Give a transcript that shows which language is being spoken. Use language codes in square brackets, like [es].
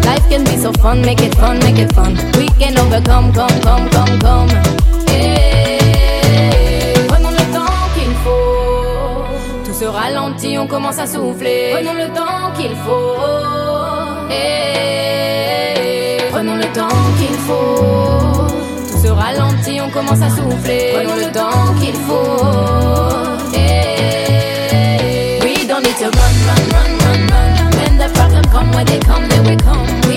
[en] Can be so fun, make it fun, make it fun. We can overcome, come, come, come, come. Hey. [fr] Prenons le temps qu'il faut. Tout se ralentit, on commence à souffler. Prenons le temps qu'il faut. Hey. Prenons le temps qu'il faut. Tout se ralentit, on commence à souffler. Prenons le temps qu'il faut. [en] Hey. We don't need to run, run, run, run, run. When the problem come, when they come, they will come.